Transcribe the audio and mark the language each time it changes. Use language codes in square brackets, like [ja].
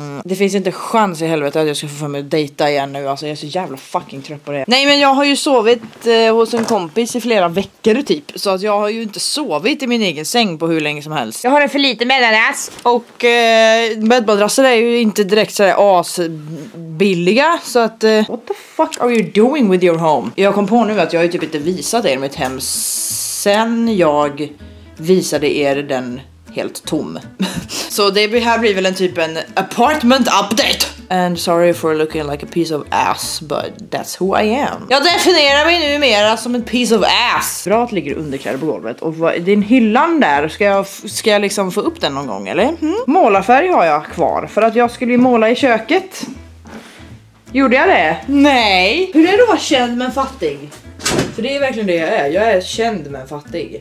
[sv] Det finns inte chans i helvete att jag ska få för mig att dejta igen nu. Alltså jag är så jävla fucking trött på det. Nej, men jag har ju sovit hos en kompis i flera veckor typ. Så att jag har ju inte sovit i min egen säng på hur länge som helst. Jag har en för lite bäddadress. Och bäddadressen är ju inte direkt såhär asbilliga. Så att... [en] What the fuck are you doing with your home? [sv] Jag kom på nu att jag har ju typ inte visat er mitt hem sen jag visade er den... Helt tom. Så det här blir väl en typ en [en] apartment update. And sorry for looking like a piece of ass, but that's who I am. [sv] Jag definierar mig nu mera som en [en] piece of ass. [sv] Bra att ligger underkläder på golvet. Och vad, din hyllan där, ska jag liksom få upp den någon gång eller? Mm. Målarfärg har jag kvar för att jag skulle ju måla i köket. Gjorde jag det? Nej. Hur är du då känd men fattig? För det är verkligen det jag är känd men fattig.